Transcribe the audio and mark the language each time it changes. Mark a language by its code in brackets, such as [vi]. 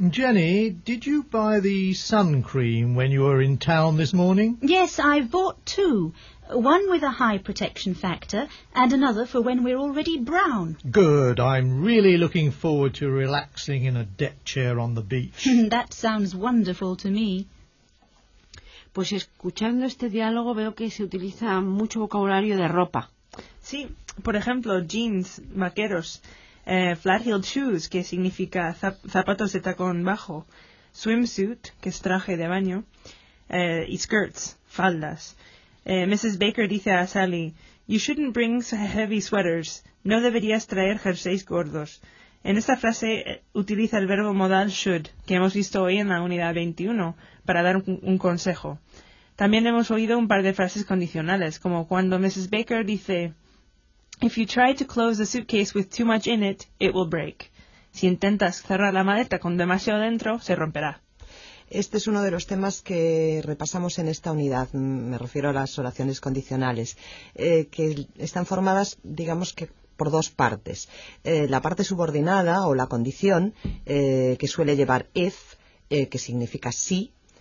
[en] Jenny, did you buy the sun cream when you were in town this morning? Yes, I've bought 2. One with a high protection factor and another for when we're already brown. Good, I'm really looking forward to relaxing in a deck chair on the beach. That sounds wonderful to me. [es] Pues escuchando este diálogo veo que se utiliza mucho vocabulario de ropa. Sí, por ejemplo, jeans, vaqueros, flat-heeled shoes, que significa zapatos de tacón bajo, swimsuit, que es traje de baño, y skirts, faldas. Mrs. Baker dice a Sally, [en] you shouldn't bring heavy sweaters, [es] no deberías traer jerseys gordos. En esta frase utiliza el verbo modal should, que hemos visto hoy en la unidad 21, para dar un consejo. También hemos oído un par de frases condicionales, como cuando Mrs. [en] Baker [es] dice, [en] If you try to close the suitcase with too much in it, it will break. [es] Si intentas cerrar la maleta con demasiado dentro, se romperá. Este es uno de los temas que repasamos en esta unidad, me refiero a las oraciones condicionales, que están formadas, digamos que, por 2 partes. La parte subordinada o la condición, que suele llevar if, que significa sí,